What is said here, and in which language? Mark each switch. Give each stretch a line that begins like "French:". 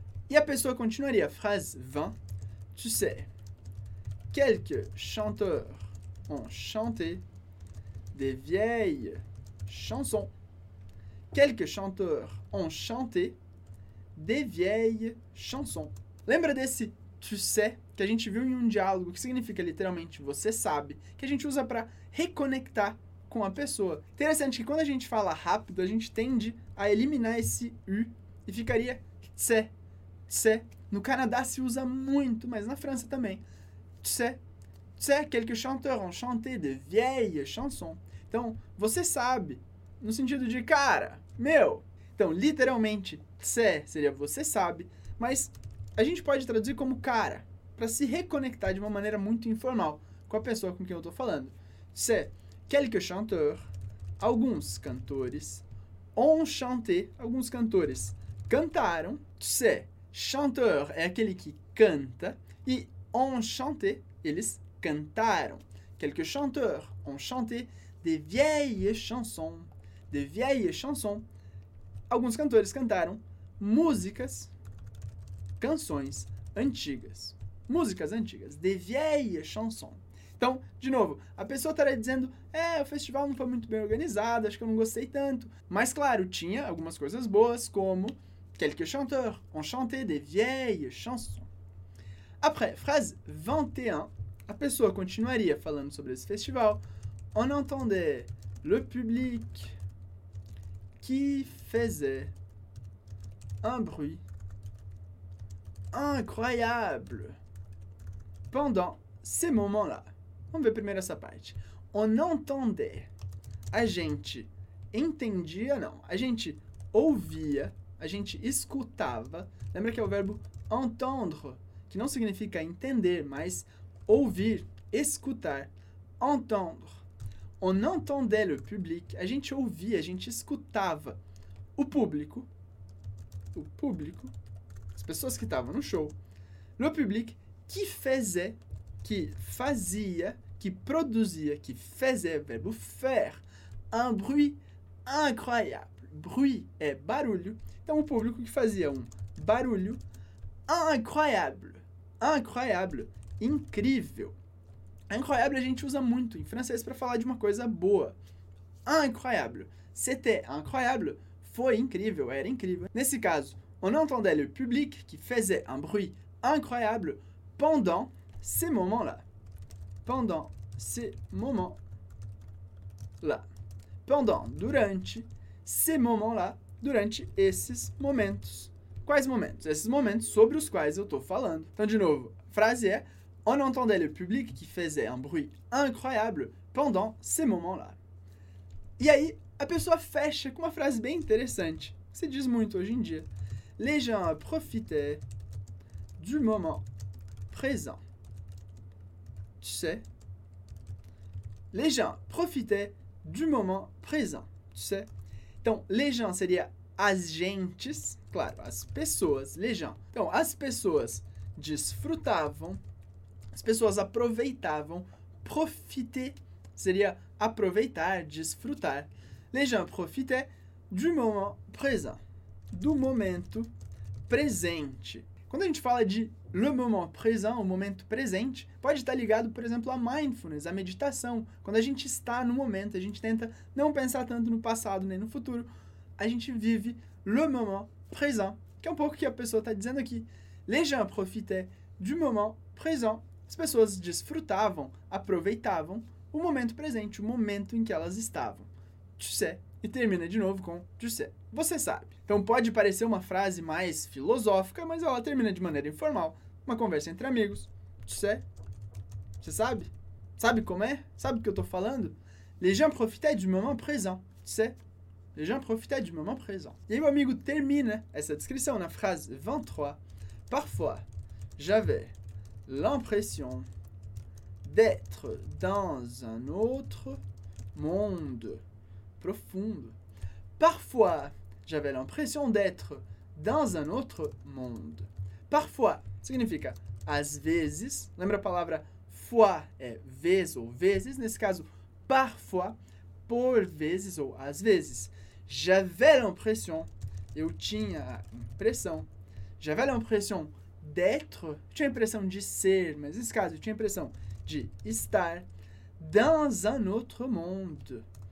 Portuguese: E a pessoa continua ali a frase 20.
French: Tu sais, quelques chanteurs ont chanté des vieilles chansons. Quelques chanteurs ont chanté des vieilles chansons.
Portuguese: Lembra desse tu sais que a gente viu em um diálogo, que significa literalmente você sabe, que a gente usa para reconectar com a pessoa. Interessante que quando a gente fala rápido, a gente tende a eliminar esse U e ficaria tu sais. No Canadá se usa muito, mas na França também.
French: Tu sais, quelques chanteurs ont chanté de vieilles chansons.
Portuguese: Então, você sabe, no sentido de cara, meu. Então, literalmente, tu sais seria você sabe, mas a gente pode traduzir como cara, para se reconectar de uma maneira muito informal com a pessoa com quem eu tô falando.
French: Tu sais, quelques chanteurs,
Portuguese: alguns cantores,
French: ont chanté,
Portuguese: alguns cantores cantaram.
French: Tu sais,
Portuguese: chanteur é aquele que canta, e
French: ont chanté,
Portuguese: eles cantaram.
French: Quelques chanteurs ont chanté des vieilles chansons. Des vieilles chansons.
Portuguese: Alguns cantores cantaram músicas, canções antigas. Músicas antigas.
French: Des vieilles chansons.
Portuguese: Então, de novo, a pessoa estaria dizendo, o festival não foi muito bem organizado, acho que eu não gostei tanto. Mas, claro, tinha algumas coisas boas, como
French: quelques chanteurs ont chanté des vieilles chansons. Après, phrase 21,
Portuguese: a pessoa continuaria falando sobre esse festival.
French: On entendait le public qui faisait un bruit incroyable pendant ces moments-là.
Portuguese: Vamos ver primeiro essa parte.
French: On entendait.
Portuguese: A gente entendia, não. A gente ouvia, a gente escutava. Lembra que é o verbo entendre, que não significa entender, mas ouvir, escutar, entendre.
French: On entendait le public.
Portuguese: A gente ouvia, a gente escutava o público, as pessoas que estavam no show.
French: Le public qui faisait,
Portuguese: que fazia, que produzia,
French: que faisait, verbo faire, un bruit incroyable.
Portuguese: Bruit é barulho. Então, o público que fazia um barulho incroyable. Incroyable, incrível. Incroyable a gente usa muito em francês para falar de uma coisa boa. Incroyable.
French: C'était incroyable.
Portuguese: Foi incrível, era incrível. Nesse caso,
French: on entendait le public qui faisait un bruit incroyable pendant ces moments-là. Pendant ces moments-là.
Portuguese: Pendant, durante, ces moments-là, durante esses momentos. Quais momentos? Esses momentos sobre os quais eu tô falando. Então, de novo, a frase é
French: on entendait le public qui faisait un bruit incroyable pendant ces moments-là.
Portuguese: E aí, a pessoa fecha com uma frase bem interessante, que se diz muito hoje em dia.
French: Les gens profitaient du moment présent. Tu sais? Les gens profitaient du moment présent. Tu sais?
Portuguese: Então, les gens seria as gentes, claro, as pessoas, les gens. Então, as pessoas desfrutavam, as pessoas aproveitavam, profiter seria aproveitar, desfrutar.
French: Les gens profitaient du moment présent,
Portuguese: do momento presente. Quando a gente fala de le moment présent, o momento presente, pode estar ligado, por exemplo, à mindfulness, à meditação. Quando a gente está no momento, a gente tenta não pensar tanto no passado nem no futuro, a gente vive le moment présent, que é um pouco o que a pessoa está dizendo aqui.
French: Les gens profitaient du moment présent.
Portuguese: As pessoas desfrutavam, aproveitavam o momento presente, o momento em que elas estavam.
French: Tu sais.
Portuguese: E termina de novo com tu sais. Você sabe. Então pode parecer uma frase mais filosófica, mas ela termina de maneira informal. Uma conversa entre amigos.
French: Tu sais.
Portuguese: Você sabe? Sabe como é? Sabe o que eu tô falando?
French: Les gens profitaient du moment présent. Tu sais. Les gens profitaient du moment présent.
Portuguese: E aí meu amigo termina essa descrição na frase 23.
French: Parfois, j'avais l'impression d'être dans un autre monde profond. Parfois, j'avais l'impression d'être dans un autre monde.
Portuguese: Parfois significa às vezes. Lembra a palavra fois é vez ou vezes. Nesse caso, parfois, por vezes ou às vezes.
French: J'avais l'impression,
Portuguese: eu tinha impressão,
French: j'avais l'impression d'être,
Portuguese: tinha impressão de ser, mas nesse caso, tinha impressão de estar
French: dans un autre monde.